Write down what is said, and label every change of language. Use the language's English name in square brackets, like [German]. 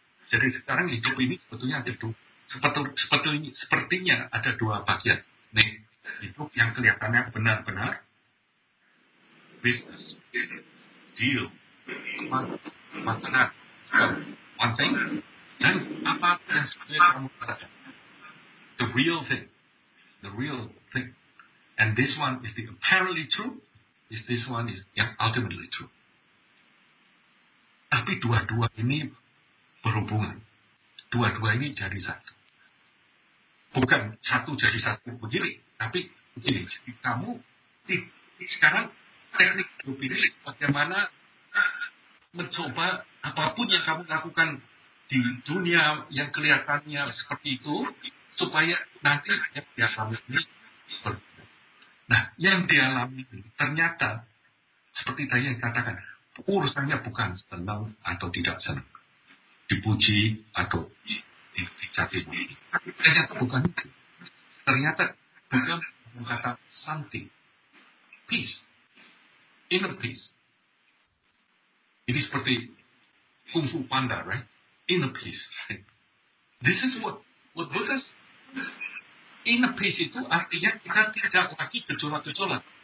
[Indonesian] Jadi sekarang hidup ini sebetulnya ada dua, sepertinya ada dua bagian. Nih, hidup yang kelihatannya benar-benar, business, deal, makanan, [English] one thing, [Indonesian] dan apa yang sebetulnya kamu katakan. [English] The real thing. And this one is the apparently true, is this one is yang ultimately true. [Indonesian] Tapi dua-dua ini berhubungan. Dua-dua ini jadi satu. Bukan satu jadi satu begini, tapi begini. Jadi kamu sekarang teknik hidup ini bagaimana mencoba apapun yang kamu lakukan di dunia yang kelihatannya seperti itu, supaya nanti yang dialami ini berbeda. Nah, yang dialami ini ternyata seperti tadi yang katakan, urusannya bukan senang atau tidak senang, dipuji atau dicaci maki. Ternyata bukan itu. Ternyata bukan kata santi, [English] peace, inner peace. [Indonesian] Ini seperti [English] Kung Fu Panda, right? Inner peace. This is what Buddha said. [Indonesian] Inner peace itu artinya kita tidak lagi gejolak-gejolak.